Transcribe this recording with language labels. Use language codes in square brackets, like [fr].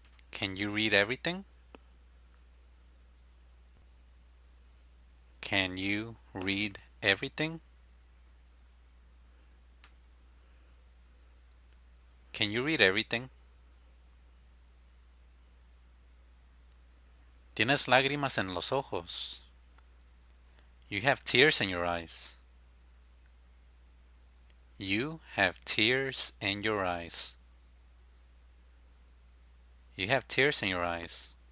[en] Can you read everything? Can you read everything? Can you read everything? [es] Tienes lágrimas en los ojos. [en] You have tears in your eyes. You have tears in your eyes. You have tears in your eyes.